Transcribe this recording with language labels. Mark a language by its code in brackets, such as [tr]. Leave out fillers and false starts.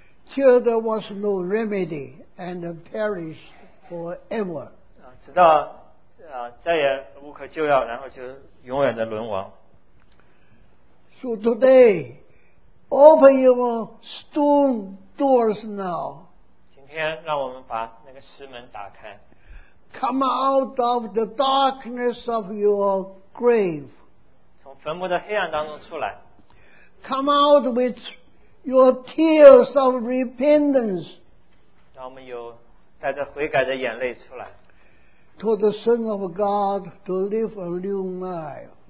[en] Till there was no remedy and perished forever. [zh] 直到再也无可救药，然后就永远的沦亡。 [en] So today, open your stone doors now. [zh] 今天让我们把那个石门打开。 [en] Come out of the darkness of your grave. [zh] 从坟墓的黑暗当中出来。 [en] Come out with your tears of repentance. [zh] 让我们有带着悔改的眼泪出来。 [en] To the Son of God to live a new life.